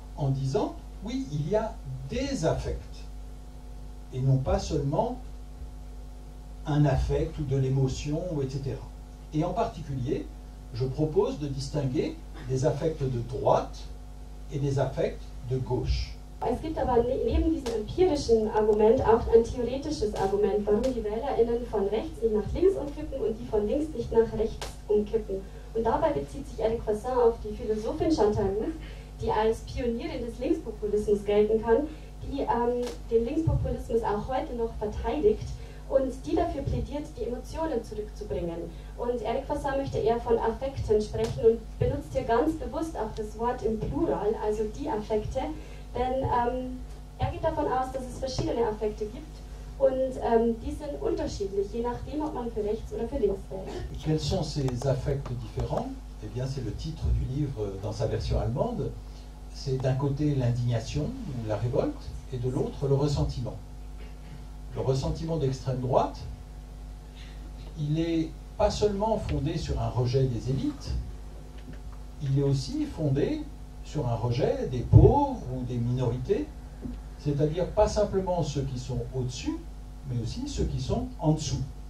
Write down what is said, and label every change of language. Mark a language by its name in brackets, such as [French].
[French] en disant, oui, il y a des affects, et non pas seulement un affect ou de l'émotion, etc. Et en particulier, je propose de distinguer des affects de droite et des affects de gauche. [German] Es gibt aber neben diesem empirischen Argument auch ein theoretisches Argument, warum die WählerInnen von rechts nicht nach links umkippen und die von links nicht nach rechts umkippen. Und dabei bezieht sich Eric Voisin auf die Philosophin Chantal Mouffe, die als Pionierin des Linkspopulismus gelten kann, die den Linkspopulismus auch heute noch verteidigt und die dafür plädiert, die Emotionen zurückzubringen. Und Eric Voisin möchte eher von Affekten sprechen und benutzt hier ganz bewusst auch das Wort im Plural, also die Affekte, denn er geht davon aus, dass es verschiedene Affekte gibt und die sind unterschiedlich, je nachdem, ob man für rechts oder für links wählt. [French] Quels sont ces affects différents? Eh bien, c'est le titre du livre dans sa version allemande. C'est d'un côté l'indignation, la révolte, et de l'autre le ressentiment. Le ressentiment d'extrême droite, il est pas seulement fondé sur un rejet des élites, il est aussi fondé sur un rejet des pauvres ou des minorités, c'est-à-dire pas simplement ceux qui sont au-dessus, mais aussi ceux qui sont en dessous.